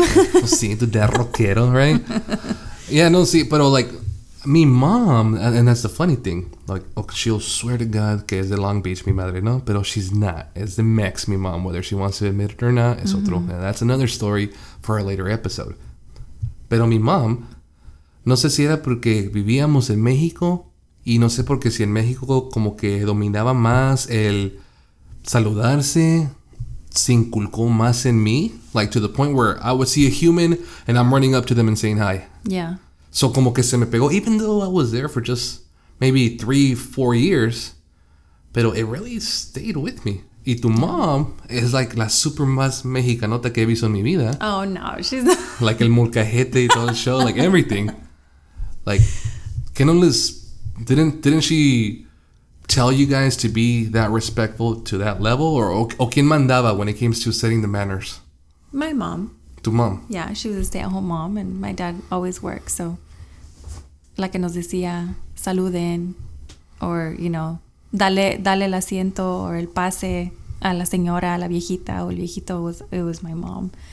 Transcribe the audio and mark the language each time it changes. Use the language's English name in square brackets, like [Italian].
[Spanish] Sí, tu [English] dad [Spanish] rockero, [English] right? Yeah, no, [Spanish] sí, pero [English] like, mi mom, and that's the funny thing, like, oh, she'll swear to God [Spanish] que es de Long Beach, mi madre, no? Pero [English] she's not. It's the Mex, mi mom, whether she wants to admit it or not, [Spanish] es otro. [English] Now, that's another story for a later episode. [Spanish] Pero mi [English] mom, [Spanish] no sé si era porque vivíamos en México, y no sé por qué si en México como que dominaba más el... Saludarse se inculcó más en mí, [English] like to the point where I would see a human and I'm running up to them and saying hi. Yeah. So [Spanish] como que se me pegó, [English] even though I was there for just maybe 3-4 years, pero it really stayed with me. [Spanish] Y tu [English] mom is like [Spanish] la super más mexicanota que he visto en mi vida. [English] Oh no, she's [Spanish] like el molcajete y todo el [English] show, like everything. Like, didn't she tell you guys to be that respectful to that level? Or [Spanish] quien mandaba [English] when it came to setting the manners? My mom. [Spanish] Tu mom? [English] Yeah, she was a stay-at-home mom, and my dad always worked, so... [Spanish] La que nos decía, saluden, [English] or, you know, [Spanish] dale el asiento, [English] or [Spanish] el pase a la señora, a la viejita, o el viejito, [English] it was my mom.